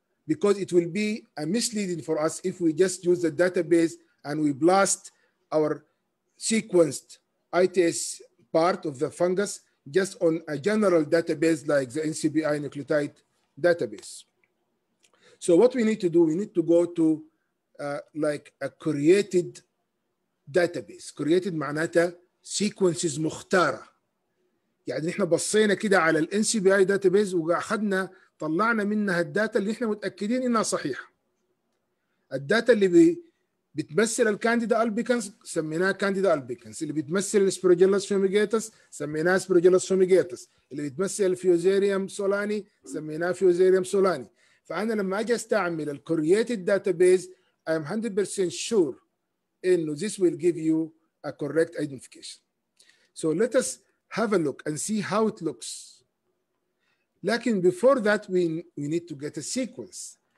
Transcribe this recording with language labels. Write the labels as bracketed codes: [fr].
[en] because it will be a misleading for us if we just use the database and we blast our sequenced ITS part of the fungus just on a general database like the NCBI nucleotide database. So what we need to do, we need to go to like a created database. [ar] Created معناتها sequences مختارة. يعني احنا بصينا كده على الـ NCBI database وأخذنا طلعنا منها الداتا اللي احنا متأكدين انها صحيحة. الداتا اللي بتمثل الكانديدا ألبيكنس سميناها كانديدا ألبيكنس، اللي بتمثل الاسبروجيلاس فوميجيتس سميناها اسبروجيلاس فوميجيتس، اللي بتمثل الفيوزيريوم سولاني سميناها فيوزيريوم سولاني. فأنا لما أجي أستعمل الـ [en] created database I'm 100% sure [ar] إنه [en] this will give you a correct identification. So let us have a look and see how it looks. [ar] لكن [en] before that we need to get a sequence.